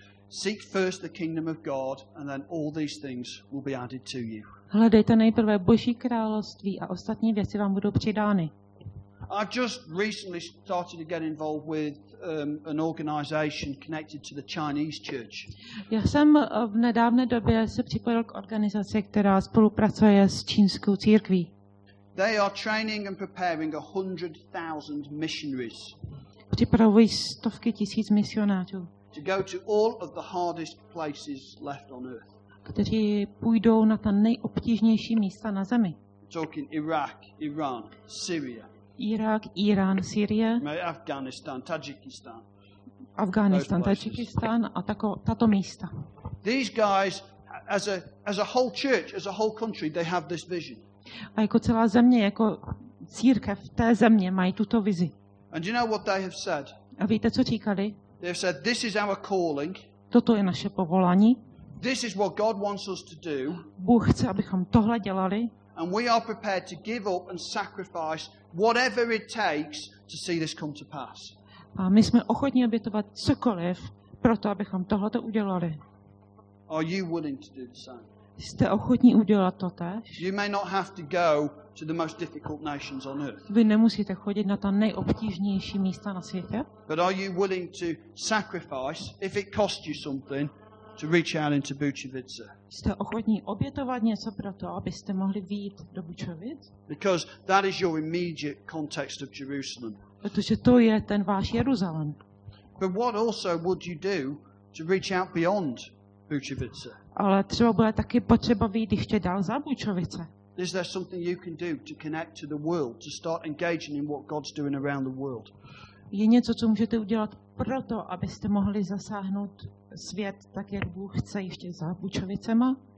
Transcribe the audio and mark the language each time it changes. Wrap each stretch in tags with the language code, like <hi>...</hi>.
<en>Seek first the kingdom of God and then all these things will be added to you.</en> <cs>Hledejte nejprve Boží království a ostatní věci vám budou přidány.</cs> <en>I've just recently started to get involved with an organization connected to the Chinese church.</en> <cs>Já jsem v nedávné době se připojil k organizaci, která spolupracuje s čínskou církví.</cs> <en>They are training and preparing 100,000 missionaries.</en> <cs>Připravují stovky tisíc misionářů.</cs> <en>To go to all of the hardest places left on earth.</en> <cs>Kteří půjdou na ta nejobtížnější místa na zemi.</cs> <en>Talking Iraq, Iran, Syria.</en> <cs>Irák, Irán, Sýrie, Afghánistán, Tadžikistán. Afghánistán, Tadžikistán a tato místa.</cs> <en>These guys as a whole church, as a whole country, they have this vision.</en> <cs>A jako celá země, jako církev té země mají tuto vizi.</cs> <en>And you know what they have said?</en> <cs>A víte, co říkali?</cs> <en>They said this is our calling.</en> <cs>Toto je naše povolání.</cs> <en>This is what God wants us to do.</en> <cs>Bůh chce, abychom tohle dělali.</cs> <en>And we are prepared to give up and sacrifice whatever it takes to see this come to pass.</en> <cs>A my jsme ochotní obětovat cokoliv pro to, abychom tohle to udělali.</cs> <en>Are you willing to do the same?</en> <cs>Jste ochotní udělat to též?</cs> <en>You may not have to go to the most difficult nations on earth.</en> <cs>Vy nemusíte chodit na ta nejobtížnější místa na světě.</cs> <en>But are you willing to sacrifice if it costs you something? To reach out into Bučovice.</en> <cs>Jste ochotní obětovat něco pro to, abyste mohli vyjít do Bučovic?</cs> <en>Because that is your immediate context of Jerusalem.</en> <cs>Protože to je ten váš Jeruzalém.</cs> <en>But what also would you do to reach out beyond Bučovice?</en> <cs>Ale třeba bude taky potřeba vyjít ještě dál za Bučovice.</cs> <en>Is there something you can do to connect to the world, to start engaging in what God's doing around the world?</en> <cs>Je něco, co můžete udělat pro to, abyste mohli zasáhnout svět tak, jak Bůh chce, ještě za Bučovicema?</cs>